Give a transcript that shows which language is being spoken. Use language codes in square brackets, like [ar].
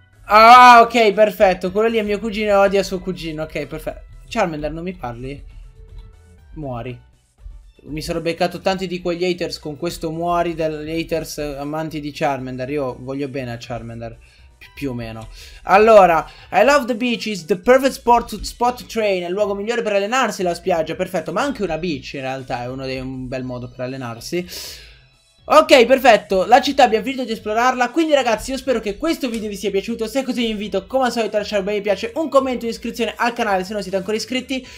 [it] Ok, perfetto, quello lì è mio cugino e odia suo cugino. Ok, perfetto. Charmander, non mi parli? Muori. Mi sono beccato tanti di quegli haters con questo muori degli haters amanti di Charmander. Io voglio bene a Charmander, più o meno. [en] Allora, I love the beach, is the perfect spot to train. [it] È il luogo migliore per allenarsi, la spiaggia. Perfetto, ma anche una beach in realtà è uno dei un bel modo per allenarsi. Ok, perfetto, la città abbiamo finito di esplorarla. Quindi ragazzi, io spero che questo video vi sia piaciuto. Se è così vi invito, come al solito, a lasciare un bel mi piace, un commento e iscrizione al canale se non siete ancora iscritti.